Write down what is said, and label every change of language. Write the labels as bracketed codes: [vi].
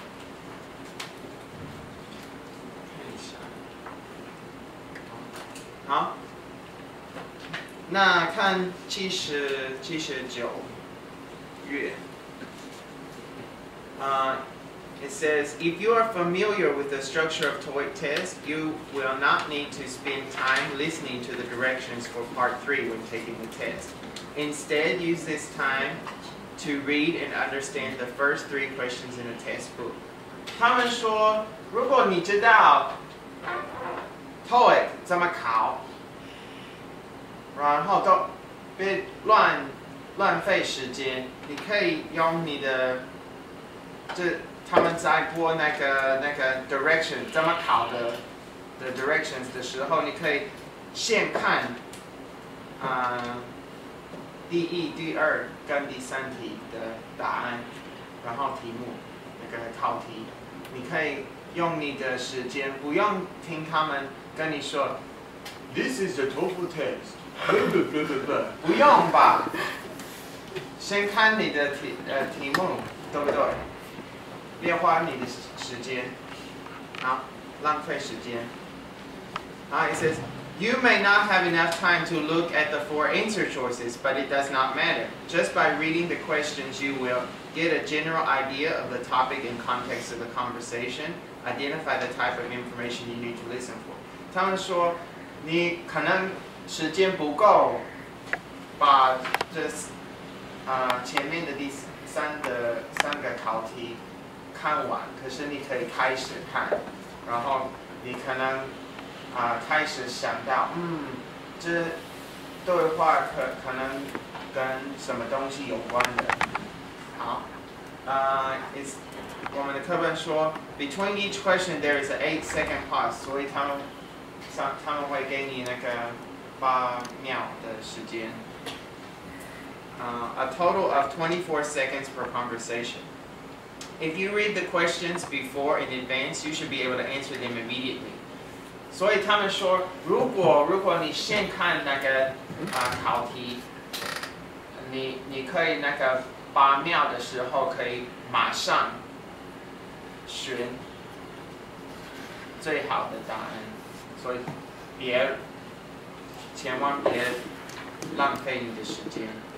[zh] 看一下，好，那看79页， [en] It says, if you are familiar with the structure of TOEIC test, you will not need to spend time listening to the directions for part 3 when taking the test. Instead, use this time to read and understand the first 3 questions in a test book. [zh] 他们说，如果你知道 TOEIC 怎么考，然后都别乱费时间，你可以用你的这。他们在播那个 direction 怎么考的 the directions 的时候，你可以先看，第一、第二跟第三题的答案，然后题目那个考题，你可以用你的时间，不用听他们跟你说 ， [en] This is the TOEIC test， [zh] 不用吧？先看你的题目，对不对？别花你的时间，好，浪费时间。 [en] 好 ，It says you may not have enough time to look at the 4 answer choices, but it does not matter. Just by reading the questions, you will get a general idea of the topic and context of the conversation. Identify the type of information you need to listen for. [zh] 他们说你可能时间不够，把这前面的第三个考题。看完，可是你可以开始看，然后你可能开始想到，这对话可能跟什么东西有关的。好，我们的课本说 ， [en] between each question there is an 8-second pause， [zh] 所以他们会给你那个8秒的时间。 [en] A total of 24 seconds per conversation。 If you read the questions before in advance, you should be able to answer them immediately. [zh] 所以他们说，如果你先看那个考题，你可以那个八秒的时候可以马上选最好的答案，所以别千万别浪费你的时间。